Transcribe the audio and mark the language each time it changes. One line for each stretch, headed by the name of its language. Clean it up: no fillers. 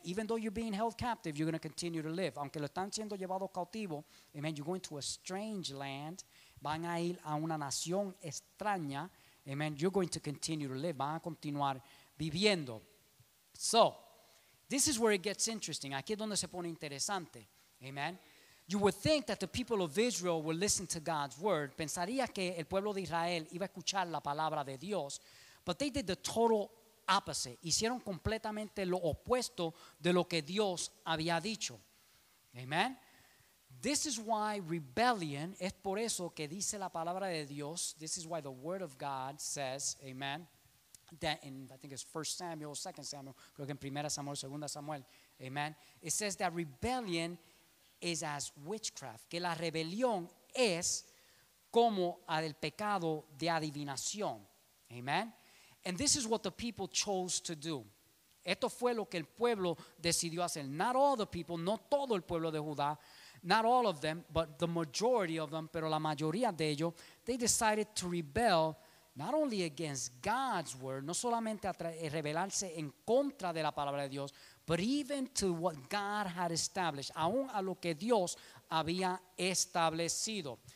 English: Even though you're being held captive, you're going to continue to live.
Spanish: Aunque lo están siendo llevado cautivo,
English: amen, you're going to a strange land,
Spanish: van a ir a una nación extraña,
English: amen, you're going to continue to live,
Spanish: van a continuar viviendo.
English: So, this is where it gets interesting.
Spanish: Aquí es donde se pone interesante,
English: amen. You would think that the people of Israel would listen to God's word.
Spanish: Pensaría que el pueblo de Israel iba a escuchar la palabra de Dios.
English: But they did the total opposite.
Spanish: Hicieron completamente lo opuesto de lo que Dios había dicho. Amen.
English: This is why rebellion,
Spanish: es por eso que dice la palabra de Dios.
English: This is why the word of God says, amen, that in, I think it's 1 Samuel, 2 Samuel,
Spanish: creo que en 1 Samuel, 2 Samuel,
English: amen. It says that rebellion is as witchcraft,
Spanish: que la rebelión es como el pecado de adivinación. Amen.
English: And this is what the people chose to do.
Spanish: Esto fue lo que el pueblo decidió hacer.
English: Not all the people,
Spanish: no todo el pueblo de Judá,
English: not all of them, but the majority of them,
Spanish: pero la mayoría de ellos,
English: they decided to rebel not only against God's word,
Spanish: no solamente rebelarse en contra de la palabra de Dios,
English: but even to what God had established,
Spanish: aún a lo que Dios había establecido.